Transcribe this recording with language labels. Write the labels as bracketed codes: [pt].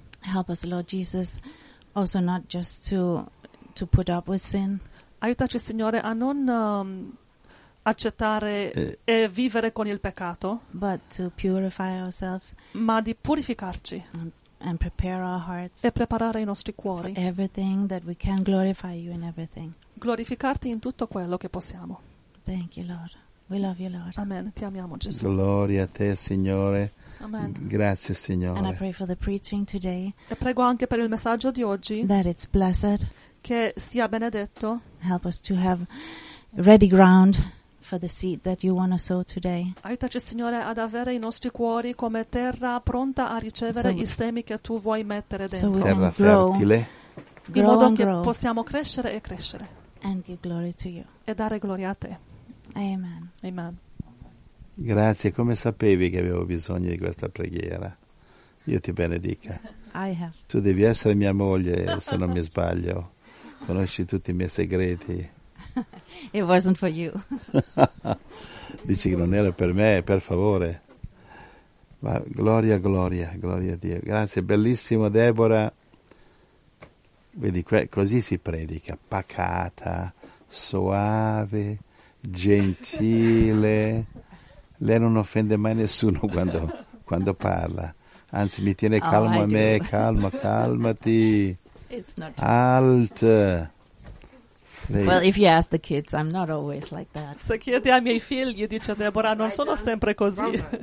[en] Help us, Lord Jesus, also not just to put up with sin. [it] Aiutaci, Signore, a non accettare e vivere con il peccato. [en] But to purify ourselves. [it] Ma di purificarci. [en] And prepare our hearts. [it] E preparare i nostri cuori. [en] For everything that we can glorify you in everything. [it] Glorificarti in tutto quello che possiamo. [en] Thank you, Lord. We love you, Lord. [it] Amen. Ti amiamo, Gesù. Gloria a te, Signore. Amen. Grazie, Signore. [en] And I pray for the preaching today. [it] E prego anche per il messaggio di oggi. [en] That it's blessed. [it] Che sia benedetto. [en] Help us to have ready ground for the seed that you want to sow today. [it] Aiutaci, Signore, ad avere i nostri cuori come terra pronta a ricevere i semi che tu vuoi mettere dentro. So terra fertile. In modo che possiamo crescere e crescere. [en] And give glory to you. [it] E dare gloria a te. Amen. Amen. Grazie, come sapevi che avevo bisogno di questa preghiera? Io ti benedica. [en] I have. [it] Tu devi essere mia moglie, se non mi sbaglio. Conosci tutti i miei segreti. [en] It wasn't for you. [it] Dici che non era per me, per favore. Ma gloria a Dio. Grazie, bellissimo, Deborah. Vedi, così si predica, pacata, soave, gentile. Lei non offende mai nessuno quando parla. Anzi, mi tiene calmo. Oh, a me, calma, calmati. [en] It's not true. [it] Alt. [en] Well, if you ask the kids, I'm not always like that. [it] Se chiedi ai miei figli, dice Deborah, non sono sempre così.